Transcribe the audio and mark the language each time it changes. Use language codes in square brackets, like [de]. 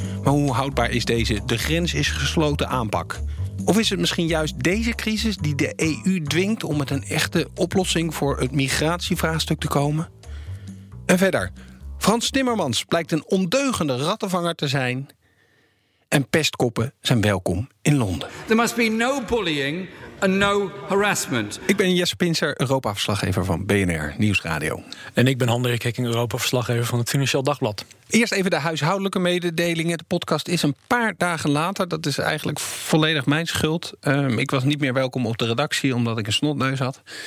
[nl] Maar hoe houdbaar is deze de grens is gesloten aanpak? Of is het misschien juist deze crisis die de EU dwingt om met een echte oplossing voor het migratievraagstuk te komen? En verder, Frans Timmermans blijkt een ondeugende rattenvanger te zijn. En pestkoppen zijn welkom in Londen. [en] There must be no bullying and no harassment. [nl] Ik ben Jesse Pinser, Europa-verslaggever van BNR Nieuwsradio. En ik ben Hendrik Hekking, Europa-verslaggever van het Financieel Dagblad. Eerst even de huishoudelijke mededelingen. De podcast is een paar dagen later. Dat is eigenlijk volledig mijn schuld. Ik was niet meer welkom op de redactie omdat ik een snotneus had.